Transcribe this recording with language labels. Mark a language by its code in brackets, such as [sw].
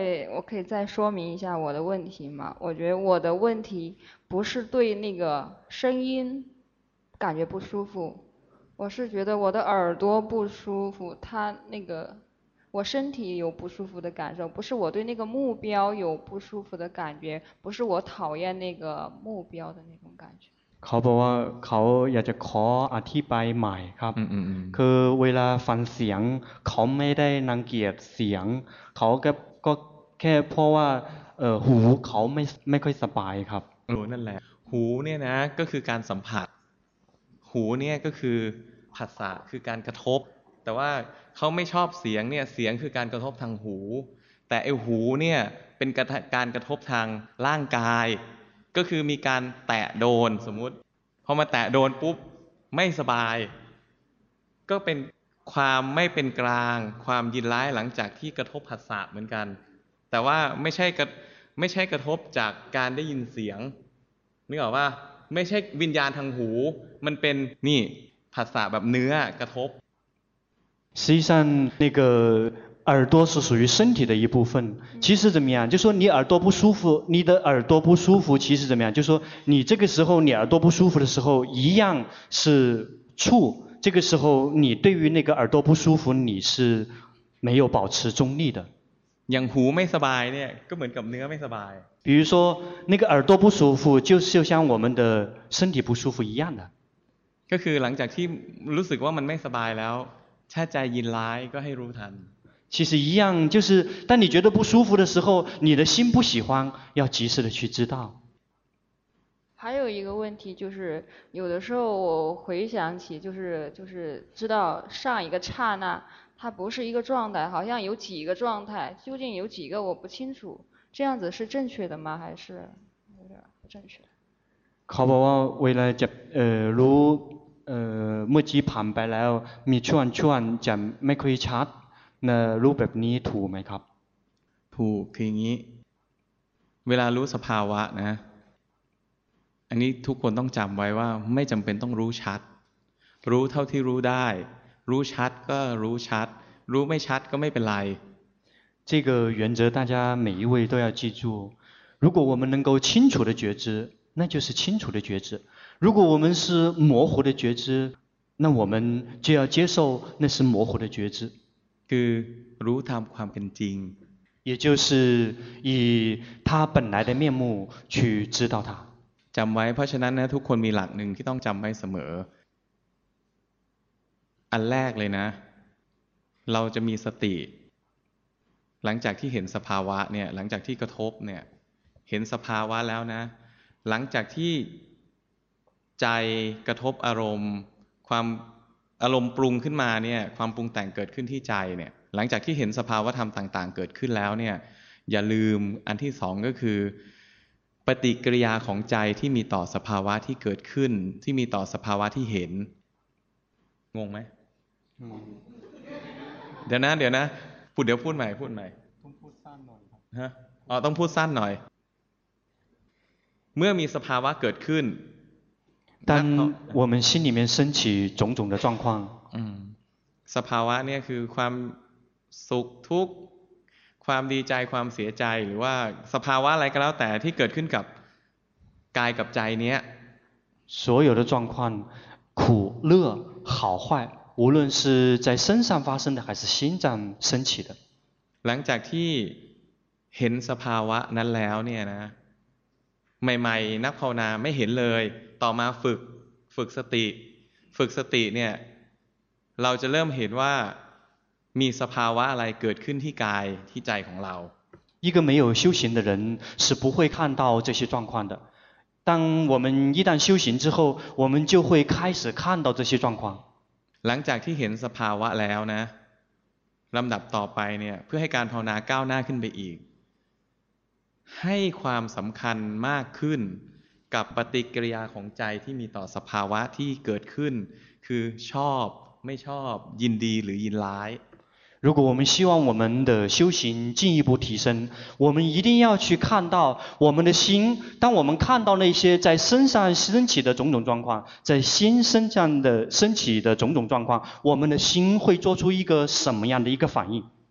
[zh] 我可以再说明一下我的问题吗？我觉得我的问题不是对那个声音感觉不舒服，我是觉得我的耳朵不舒服，它那个我身体有不舒服的感受，不是我对那个目标有不舒服的感觉，不是我讨厌那个目标的那种感觉。 [th] เขาบอกว่าเขาอยากจะขออธิบายใหม่ครับคือเวลาฟังเสียงเขาไม่ได้นังเกียจเสียงเขาก็แค่เพราะว่าหูเขาไม่ค่อยสบายครับ หูนั่นแหละหูเนี่ยนะก็คือการสัมผัสหูเนี่ยก็คือผัสสะคือการกระทบแต่ว่าเขาไม่ชอบเสียงเนี่ยเสียงคือการกระทบทางหูแต่ไอ้หูเนี่ยเป็นการกระทบทางร่างกายก็คือมีการแตะโดนสมมุติพอมาแตะโดนปุ๊บไม่สบาย ก็เป็นความไม่เป็นกลางความยินร้ายหลังจากที่กระทบผัสสะเหมือนกันแต่ว่าไม่ใช่กระทบจากการได้ยินเสียงนึกออกป่ะไม่ใช่วิญญาณทางหูมันเป็นนี่ผัสสะแบบเนื้อกระทบ [zh] ซีซั่น那个耳朵是属于身体的一部分，其实怎么样？就说你耳朵不舒服，你的耳朵不舒服，其实怎么样？就说你这个时候你耳朵不舒服的时候，一样是触。这个时候你对于那个耳朵不舒服，你是没有保持中立的。像胡没 [th] สบายเนี่ยก็เหมือนกับเนื้อไม่สบาย。 [zh] 比如说那个耳朵不舒服，就像我们的身体不舒服一样的。 [th] ก็คือหลังจากที่รู้สึกว่ามันไม่สบายแล้วถ้าใจยินร้ายก็ให้รู้ทัน。 [zh] 其实一样，就是当你觉得不舒服的时候，你的心不喜欢，要及时的去知道。还有一个问题就是，有的时候我回想起，就是知道上一个刹那，它不是一个状态，好像有几个状态，究竟有几个我不清楚，这样子是正确的吗？还是有点不正确？ [th] เขาบอกว่าเวลาจะรู้เมื่อกี้ผ่านไปแล้วมีช่วงจะไม่ค่อยชัดนะรูปแบบนี้ถูกไหมครับ ถูกคืออย่างนี้เวลารู้สภาวะนะอันนี้ทุกคนต้องจำไว้ว่าไม่จำเป็นต้องรู้ชัดรู้เท่าที่รู้ได้รู้ชัดก็รู้ชัดรู้ไม่ชัดก็ไม่เป็นไร [zh] 这个原则大家每一位都要记住如果我们能够清楚的觉知那就是清楚的觉知如果我们是模糊的觉知那我们就要接受那是模糊的觉知 [th] คือรู้ตามความเป็นจริง [zh] 也就是以他本来的面目去知道他 [th] จำไว้เพราะฉะนั้นนะทุกคนมีหลักหนึ่งที่ต้องจำไว้เสมออันแรกเลยนะเราจะมีสติหลังจากที่เห็นสภาวะเนี่ยหลังจากที่กระทบเนี่ยเห็นสภาวะแล้วนะหลังจากที่ใจกระทบอารมณ์ความอารมณ์ปรุงขึ้นมาเนี่ยความปรุงแต่งเกิดขึ้นที่ใจเนี่ยหลังจากที่เห็นสภาวะธรรมต่างๆเกิดขึ้นแล้วเนี่ยอย่าลืมอันที่สองก็คือเ ปฏิกิริยาของใจที่มีต่อสภาวะที่เกิดขึ้นที่มีต่อสภาวะที่เห็นงงไหมเดี๋ยวนะเดี๋ยวนะพูดเดี๋ยวพูดใหม่พูดใหม่ต้องพูดสั้นหน่อย ครับฮะอ๋อต้องพูดสั้นหน่อยเมื่อมีสภาวะเกิดขึ้น [zh] 当我们心里面升起种种的状况 [th] สภาวะเนี่ยคือความสุขทุกข์ความดีใจความเสียใจหรือว่าสภาวะอะไรก็แล้วแต่ที่เกิดขึ้นกับกายกับใจเนี้ย [zh] 所有的状况苦乐好坏无论是在身上发生的还是心脏升起的 [th] หลังจากที่เห็นสภาวะนั้นแล้วเนี่ยนะใหม่ๆนักภาวนาไม่เห็นเลยต่อมาฝึกสติฝึกสติเนี่ยเราจะเริ่มเห็นว่ามีสภาวะอะไรเกิดขึ้นที่กายที่ใจของเรา [zh] 一个没有修行的人是不会看到这些状况的当我们一旦修行之后我们就会开始看到这些状况 [th] หลังจากที่เห็นสภาวะแล้วนะลำดับต่อไปเนี่ยเพื่อให้การภาวนาก้าวหน้าขึ้นไปอีกให้ความสำคัญมากขึ้นกับปฏิกิริยาของใจที่มีต่อสภาวะที่เกิดขึ้นคือชอบไม่ชอบยินดีหรือยินร้าย [zh] 如果我们希望我们的修行进一步提升我们一定要去看到我们的心当我们看到那些在身上升起的种种状况在心身上的升起的种种状况我们的心会做出一个什么样的一个反应